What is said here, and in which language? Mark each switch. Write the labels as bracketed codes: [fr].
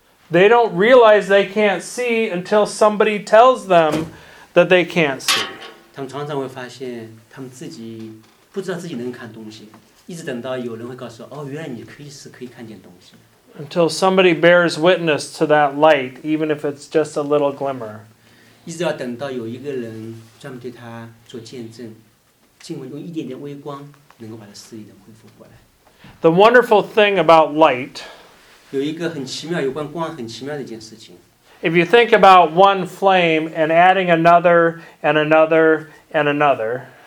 [en] They don't realize they can't see until somebody tells them that they can't see. [zh] 他们常常会发现他们自己不知道自己能看东西，一直等到有人会告诉，哦，原来你可以看见东西。 [en] Until somebody bears witness to that light, even if it's just a little glimmer. [zh] 一直要等到有一个人专门对他做见证，尽管用一点点微光，能够把他视力恢复过来。 [en] The wonderful thing about light. [zh] 有一个很奇妙有关光很奇妙的一件事情。 [en] If you think about one flame and adding another and another and another.